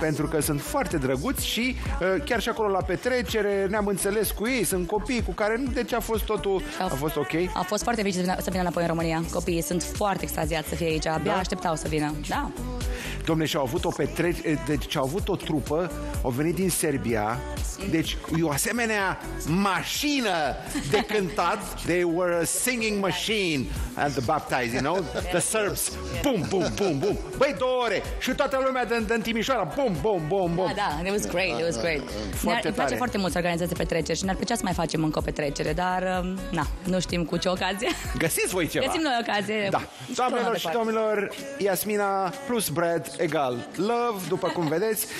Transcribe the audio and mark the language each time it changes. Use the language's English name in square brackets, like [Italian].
[Romanian] Pentru că sunt foarte drăguți și chiar și acolo la petrecere ne-am înțeles cu ei, sunt copii cu care, deci a fost totul, a fost ok. A fost foarte fericit să vină înapoi în România. Copiii sunt foarte extaziați să fie aici. Abia așteptau să vină. Da. Domne, și au avut o petrecere, deci au avut o trupă, au venit din Serbia. Deci e o asemenea mașină de cântat. [English] They were a singing machine at the baptize, you know? The Serbs. Boom, boom, boom, boom. [Romanian] Băi, două ore. Și toată lumea din Timișoara. Boom, boom, boom, boom. Da, da. [English] It was great, it was great. [Romanian] Îmi place foarte mult să organizeze petreceri și ne-ar plăcea să mai facem încă o petrecere, dar na, nu știm cu ce ocazie. Găsiți voi ceva. Găsim noi ocazie. Da. Doamnelor și domnilor, Yasmina plus Brad egal love, după cum vedeți.